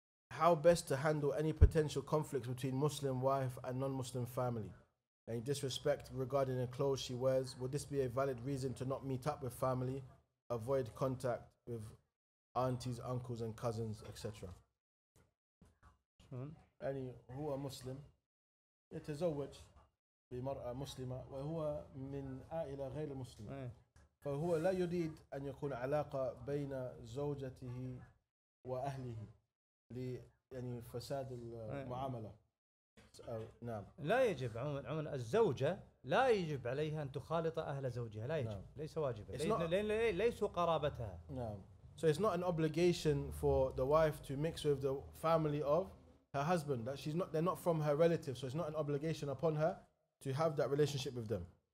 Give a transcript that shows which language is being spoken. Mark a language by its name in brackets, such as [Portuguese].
[English] how best to handle any potential conflicts between Muslim wife and non-Muslim family? Any disrespect regarding the clothes she wears? Would this be a valid reason to not meet up with family, avoid contact with aunties, uncles, and cousins, etc.? Any who are Muslim, [Arabic] يتزوج بمرأة مسلمة وهو من عائلة غير مسلمة. فهو لا يريد أن يكون علاقة بين زوجته وأهله يعني فساد المعاملة. نعم. لا يجب عمر الزوجة لا يجب عليها أن تخالط أهل زوجها. لا يجب. نعم. ليس واجبا. ليس قرابتها. نعم. [English] So it's not an obligation for the wife to mix with the family of her husband. That she's not. They're not from her relatives. So it's not an obligation upon her to have that relationship with them.